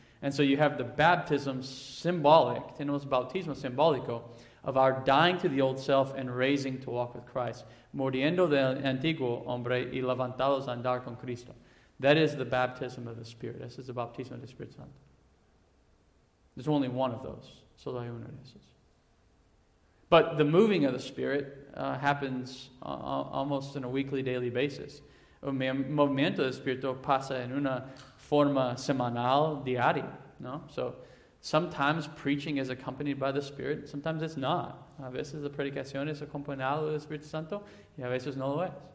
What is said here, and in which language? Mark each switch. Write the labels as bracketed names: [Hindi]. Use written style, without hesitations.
[English] And so you have the baptism symbolic, [Spanish] tenemos bautismo simbólico, [English] of our dying to the old self and raising to walk with Christ, [Spanish] muriendo del antiguo hombre y levantados a andar con Cristo. [English] That is the baptism of the Spirit. This is the [Spanish] bautismo del Espíritu Santo. [English] There's only one of those. [Spanish] Solo hay uno de esos. [English] But the moving of the Spirit happens almost on a weekly, daily basis. [Spanish] El movimiento del Espíritu pasa en una forma semanal, diaria, ¿no? [English] So, sometimes preaching is accompanied by the Spirit, sometimes it's not. [Spanish] A veces la predicación es acompañada del Espíritu Santo, y a veces no lo es.